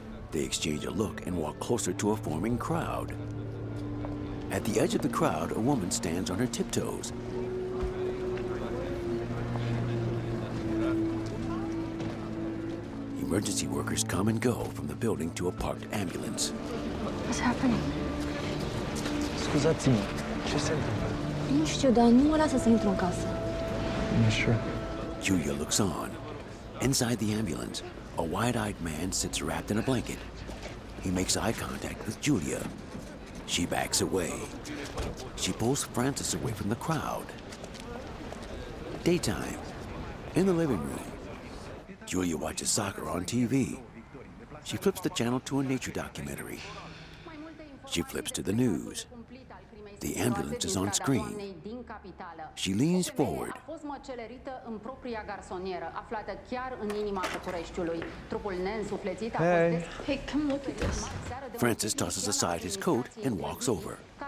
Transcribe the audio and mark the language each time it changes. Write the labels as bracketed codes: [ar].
[en] They exchange a look and walk closer to a forming crowd. At the edge of the crowd, a woman stands on her tiptoes. Emergency workers come and go from the building to a parked ambulance. What's happening? [ro] Scuzați-mă. Ce se întâmplă? Nu știu, dar nu mă lasă să intru în casă. [en] Sure. Julia looks on. Inside the ambulance, a wide-eyed man sits wrapped in a blanket. He makes eye contact with Julia. She backs away. She pulls Francis away from the crowd. Daytime. In the living room, Julia watches soccer on TV. She flips the channel to a nature documentary. She flips to the news. The ambulance is on screen. She leans forward. [ro] A fost măcelerită în propria garsonieră, aflată chiar în inima Bucureștiului. Trupul neînsuflețit a fost [en] Hey, come look at this. Francis tosses aside his coat and walks over.